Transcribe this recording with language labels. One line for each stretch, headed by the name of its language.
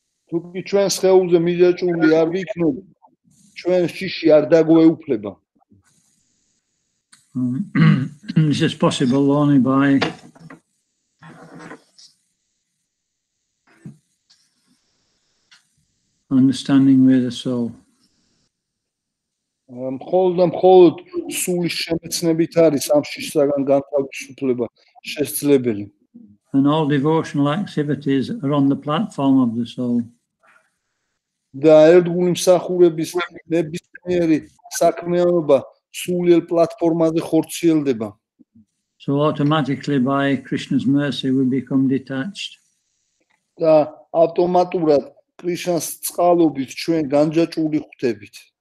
English: This is possible only by understanding where the soul.
Georgian: მხოლოდ სულის შემეცნებით არის ამ შიშისაგან განთავისუფლება შესაძლებელი.
English: And all devotional activities are on the platform of the soul.
Georgian: Და ერთგული მსახურების ნებისმიერი საქმიანობა სულიერ პლატფორმაზე ხორციელდება.
English: So automatically by Krishna's mercy we become detached.
Georgian: და ავტომატურად კრიშნას წყალობით ჩვენ განჯაჭული ხვდებით.